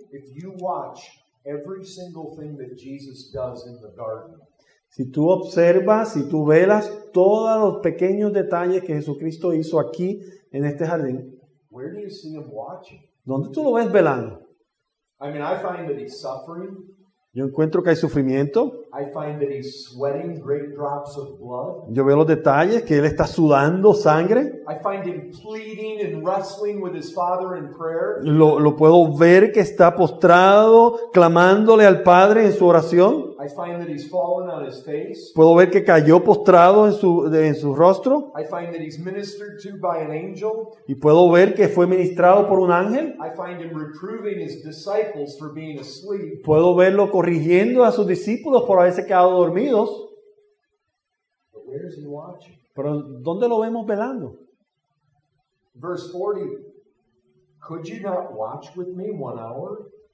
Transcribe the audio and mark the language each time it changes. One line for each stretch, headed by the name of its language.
English: If you watch every single thing that Jesus does in the garden.
Spanish: Si tú observas, si tú velas todos los pequeños detalles que Jesucristo hizo aquí en este jardín.
English: Where do you see him watching?
Spanish: ¿Dónde tú lo ves velando?
English: I mean, I find that he's suffering.
Spanish: Yo encuentro que hay sufrimiento.
English: I find that he's sweating great drops of blood.
Spanish: Yo veo los detalles, que él está sudando sangre.
English: I find him pleading and wrestling with his father in prayer.
Spanish: Lo puedo ver que está postrado, clamándole al Padre en su oración.
English: I find that he's fallen on his face.
Spanish: Puedo ver que cayó postrado en su rostro.
English: I find that he's ministered to by an angel.
Spanish: Y puedo ver que fue ministrado por un ángel.
English: I find him reproving his disciples for being asleep.
Spanish: Puedo verlo corrigiendo a sus discípulos por haberse quedado dormidos.
English: But where is he watching?
Spanish: Pero ¿dónde lo vemos velando?
English: Verse 40. Could you not watch with me 1 hour?